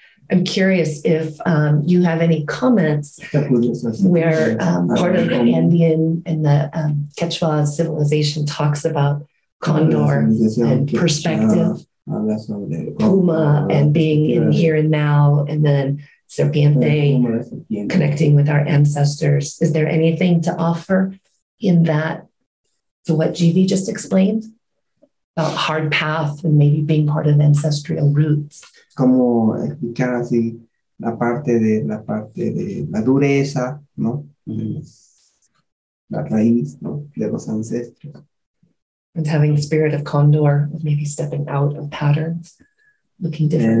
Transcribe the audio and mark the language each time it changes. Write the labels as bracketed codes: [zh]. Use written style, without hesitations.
[en] I'm curious if you have any comments where part of the Andean and the Quechua civilization talks about condor and perspective, puma and being in here and now, and then serpiente connecting with our ancestors. Is there anything to offer in that to what GV just explained? A hard path and maybe being part of ancestral roots. [es] Como explicar así la parte de la dureza, ¿no? La raíz, ¿no? De los ancestros. [en] And having the spirit of condor, maybe stepping out of patterns, looking different.